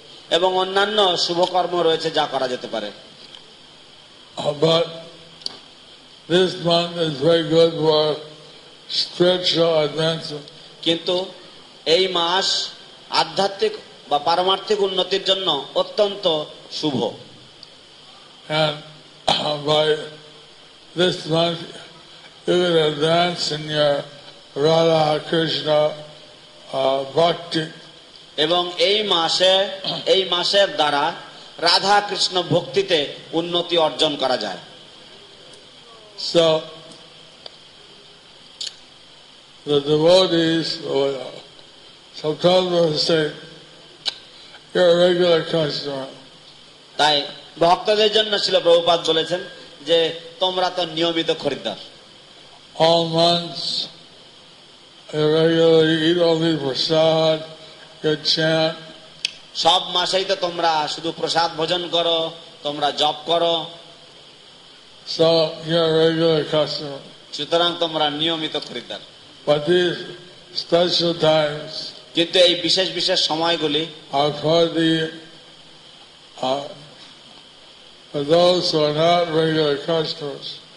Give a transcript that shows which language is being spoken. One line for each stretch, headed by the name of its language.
Bangla: এবং অন্যান্য শুভকর্ম রয়েছে যা করা যেতে পারে।
English: This month is very good for spiritual advancement.
Bangla: কিন্তু এই মাস আধ্যাত্মিক বা পারমার্থিক উন্নতির জন্য অত্যন্ত শুভ।
English: And by this month you will advance in your Radha Krishna bhakti.
Bangla: এবং এই মাসের দ্বারা রাধা কৃষ্ণ ভক্তিতে উন্নতি অর্জন করা যায়।
English: So, the devotees, sometimes they say, you're a regular customer.
Bangla: তাই ভক্তদের জন্য ছিল প্রভুপাদ বলেছেন যে তোমরা তো নিয়মিত খরিদ্দার।
English: All months, you regularly eat only prasad, you chant.
Bangla: সব মাসেই তো তোমরা শুধু প্রসাদ ভোজন করো, তোমরা জপ করো।
English: So you're a regular customer.
Bangla: সুতরাং তোমরা নিয়মিত খরিদ্দার।
English: But these special times.
Bangla: কিন্তু এই বিশেষ বিশেষ সময়গুলি.
English: Are for the for those who are not regular customers.